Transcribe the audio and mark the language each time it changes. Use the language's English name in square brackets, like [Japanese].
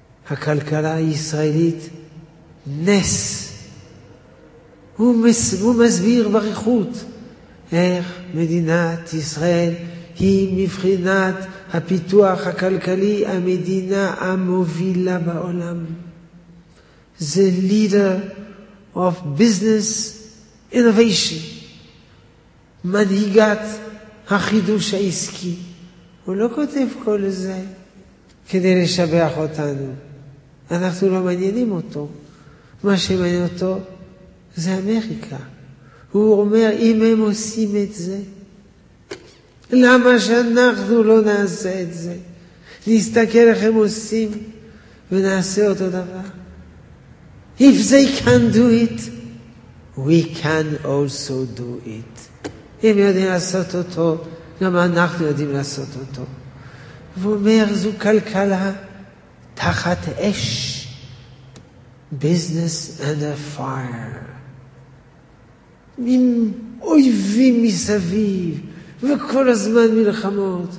[Hebrew] הכלכלה הישראלית, נס. הוא מסביר בריחות איך מדינת ישראל היא מבחינת הפיתוח הכלכלי המדינה המובילה בעולם. [English] The leader of business innovation. [Hebrew] מנהיגת החידוש העסקי. הוא לא כותב כל זה כדי לשבח אותנו. אנחנו לא מעניינים אותו. מה שמעניין אותו זה אמריקה. הוא אומר, אם הם עושים את זה, למה שאנחנו לא נעשה את זה? נסתכל איך הם עושים ונעשה אותו דבר. [English] If they can do it, we can also do it. [Hebrew] אם יודעים לעשות אותו, גם אנחנו יודעים לעשות אותו. והוא אומר, זו כלכלה תחת אש. [English] Business under fire. [Hebrew] עם אויבים מסביב, וכל הזמן מלחמות.